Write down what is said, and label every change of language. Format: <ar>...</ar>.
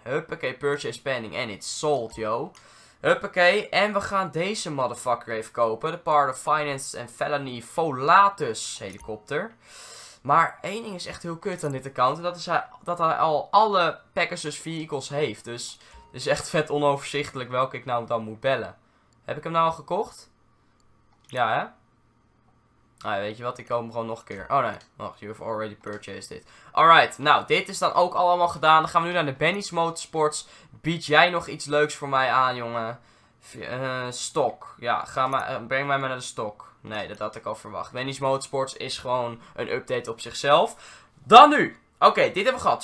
<nl>Huppakee,</nl> <en>purchase pending and it's sold, yo.</en> <nl>Huppakee, en we gaan deze motherfucker even kopen. De Part of Finance and Felony Volatus helikopter. Maar één ding is echt heel kut aan dit account. En dat is dat hij al alle Pegasus vehicles heeft. Dus het is echt vet onoverzichtelijk welke ik nou dan moet bellen. Heb ik hem nou al gekocht? Ja, hè? Ah, weet je wat, ik koop hem gewoon nog een keer. Oh nee, wacht,</nl> <en>you have already purchased it.</en> <nl>Alright, nou, dit is dan ook allemaal gedaan. Dan gaan we nu naar de Benny's Motorsports. Bied jij nog iets leuks voor mij aan, jongen? Stok. Ja, breng mij maar naar de stok. Nee, dat had ik al verwacht. Benny's Motorsports is gewoon een update op zichzelf. Dan nu. Oké, dit hebben we gehad.</nl>